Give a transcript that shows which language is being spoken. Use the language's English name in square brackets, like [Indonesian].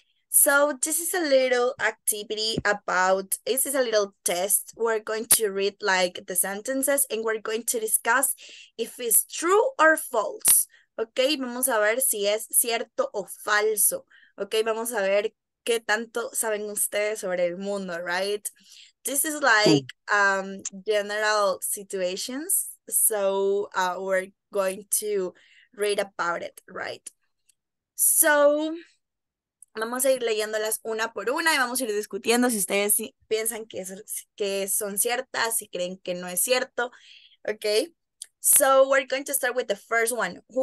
[English] So this is a little activity about, this is a little test. We're going to read like the sentences and we're going to discuss if it's true or false. [Spanish] Okay, vamos a ver si es cierto o falso. Okay, vamos a ver qué tanto saben ustedes sobre el mundo, right? [English] This is like general situations. So we're going to read about it, right? [Spanish] So vamos a ir leyéndolas una por una y vamos a ir discutiendo si ustedes piensan que son ciertas, si creen que no es cierto. [English] Okay. So we're going to start with the first one.